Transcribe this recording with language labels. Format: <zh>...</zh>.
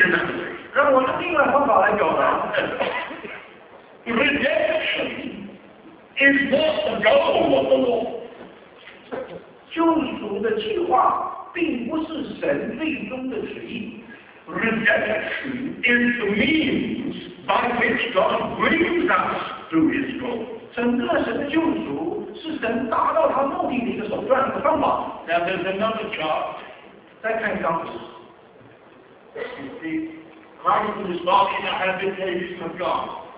<zh>所以你在这里，在背后最上面那个标题上，你就看到，它写到是神永远的旨意，解释是神得着一个永远属灵的家。让我用另外一方法来表达。</zh> <en>Redemption is not the goal of the Lord.</en> <zh>救赎的计划并不是神最终的旨意。</zh> <en>Redemption is the means by which God brings us to His goal.</en> <zh>整个神的救赎是神达到他目的的一个手段和方法。</zh> <en>Now there's another chart.</en> <zh>再看一张图。</zh> <en>You see, Christ is not in the habitation of God.</en>